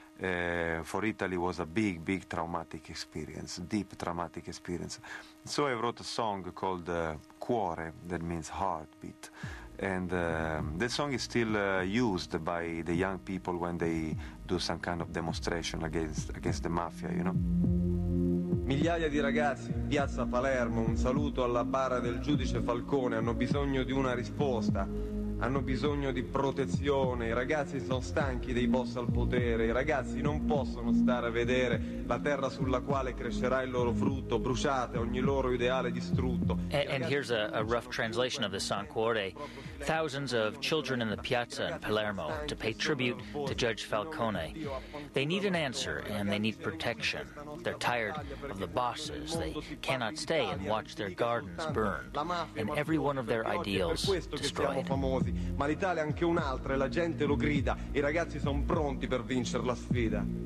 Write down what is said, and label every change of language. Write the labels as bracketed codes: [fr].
[en] For Italy was a big, big traumatic experience, deep traumatic experience. So I wrote a song called Cuore, that means heartbeat. And the song is still used by the young people when they do some kind of demonstration against the mafia, you know. [it] Migliaia di ragazzi in piazza Palermo, un saluto alla bara del giudice Falcone, hanno bisogno di una risposta. Hanno bisogno di protezione, i ragazzi sono stanchi dei boss al potere, i ragazzi non possono stare a vedere la terra sulla quale crescerà il loro frutto, bruciate ogni loro ideale distrutto. [en] And here's a rough translation of the song Cuore. Thousands of children in the piazza in Palermo to pay tribute to Judge Falcone. They need an answer and they need protection. They're tired of the bosses. They cannot stay and watch their gardens burned and every one of their ideals destroyed. [it] Ma l'Italia è anche un'altra e la gente lo grida. I ragazzi sono pronti per vincere la sfida.